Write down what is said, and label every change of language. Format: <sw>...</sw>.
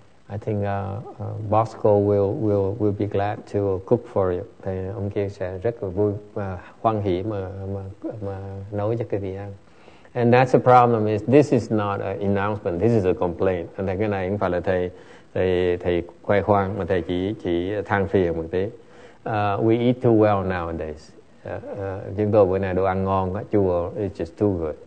<en>I think Bosco will be glad to cook for you.</en> <vi>Thì ông kia sẽ rất là vui và hoan hỷ mà nấu cho quý vị ăn.</vi> <en>And that's the problem is this is not an announcement. This is a complaint.</en> <vi>And cái này không phải là thầy khoe khoang mà thầy chỉ than phiền một tí.</vi> <en>We eat too well nowadays.</en> <vi>Chúng tôi bữa nay đồ ăn ngon, chùa</vi> <en>is just too good.</en>